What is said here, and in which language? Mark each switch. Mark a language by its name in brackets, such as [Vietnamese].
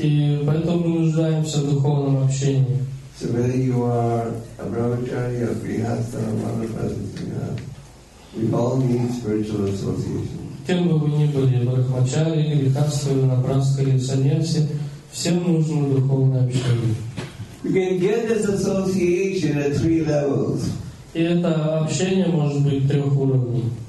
[Russian] И поэтому мы нуждаемся в духовном общении. [English] So whether you are a brahmachari, a grihastha, a vanaprastha, we all need spiritual association. [Russian] Кем бы вы ни были, брахмачари, грихастха, ванапрастха или саньяси, всем нужно духовное общение. [English] We can get this association at three levels. [Russian] И это общение может быть трех уровней.